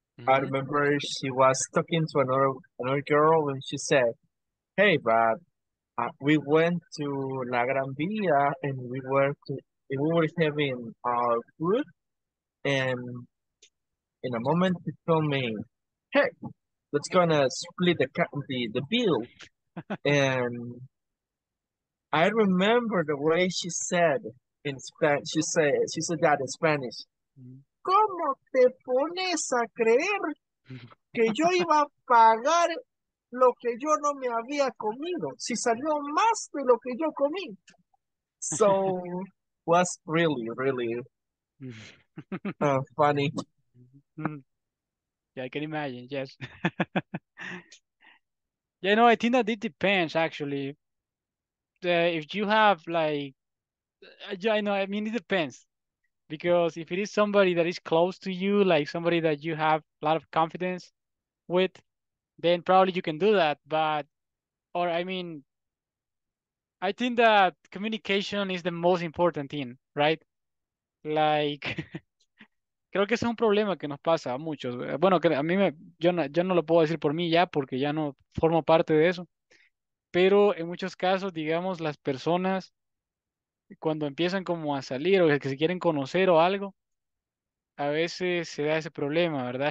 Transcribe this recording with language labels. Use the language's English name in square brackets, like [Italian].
[English] I remember she was talking to another girl and she said, "Hey, but we went to La Gran Vía and we were having our food, and in a moment she told me, 'Hey, let's gonna split the bill.'" And I remember the way she said in Spanish. She said that in Spanish. [Spanish] ¿Cómo te pones a creer que yo iba a pagar lo que yo no me había comido? Si salió más de lo que yo comí. [English] So, was really, really funny. Yeah, I can imagine, yes. Yeah, no, I think that it depends, actually. If you have, like, I know, I mean, it depends. Because if it is somebody that is close to you, like somebody that you have a lot of confidence with, then probably you can do that. But, or I mean, I think that communication is the most important thing, right? [Spanish] Like, creo que ese es un problema que nos pasa a muchos. Bueno, que a mí, yo no lo puedo decir por mí ya, porque ya no formo parte de eso. Pero en muchos casos, digamos, las personas, cuando empiezan como a salir o que se quieren conocer o algo, a veces se da ese problema, ¿verdad?